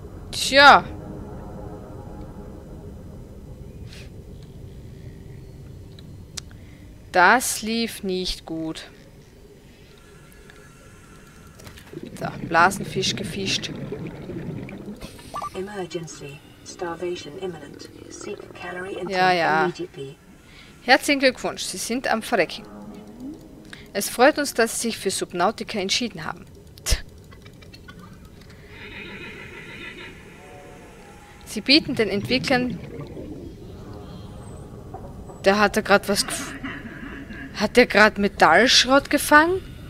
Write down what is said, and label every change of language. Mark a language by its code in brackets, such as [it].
[de] Tja. Das lief nicht gut. So, Blasenfisch gefischt. [en] Emergency. Starvation imminent. Seek calorie intake immediately. [de] Herzlichen Glückwunsch, Sie sind am Verrecken. Es freut uns, dass Sie sich für Subnautica entschieden haben. Sie bieten den Entwicklern. Da hat er gerade was. Hat der gerade Metallschrott gefangen?